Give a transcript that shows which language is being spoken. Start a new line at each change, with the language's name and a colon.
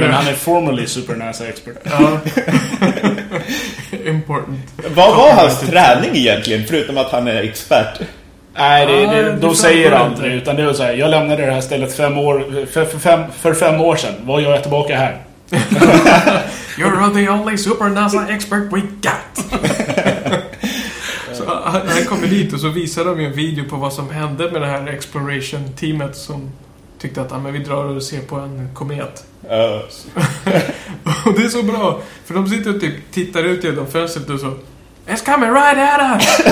Swedish: Men han är
English: formerly super NASA expert. Important.
Swedish: Vad var hans träning egentligen, förutom att han är expert? Nej, de säger aldrig, utan det är så här, jag lämnade det här stället fem år sedan. Vad gör jag tillbaka här?
English: You're the only super NASA expert we got.
Swedish: Så han kommer dit och så visar de en video på vad som hände med det här exploration teamet som tyckte att men vi drar och ser på en komet. Och det är så bra, för de sitter och typ tittar ut genom fönstret och så:
English: it's coming right at us.